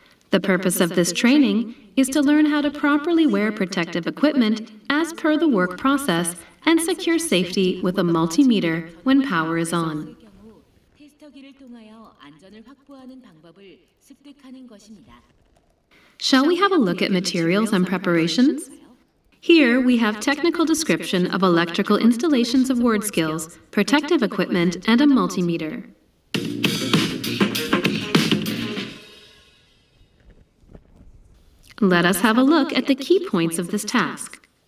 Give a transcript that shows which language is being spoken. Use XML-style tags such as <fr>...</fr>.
<en>The purpose of this training is to learn how to properly wear protective equipment as per the work process and secure safety with a multimeter when power is on.</en> <ko>기를 통하여 안전을 확보하는 방법을 습득하는 것입니다.</ko> <en>Shall we have a look at materials and preparations? Here we have technical description of electrical installations of word skills, protective equipment and a multimeter. 자, Let us have a look at the key points of this task.</en>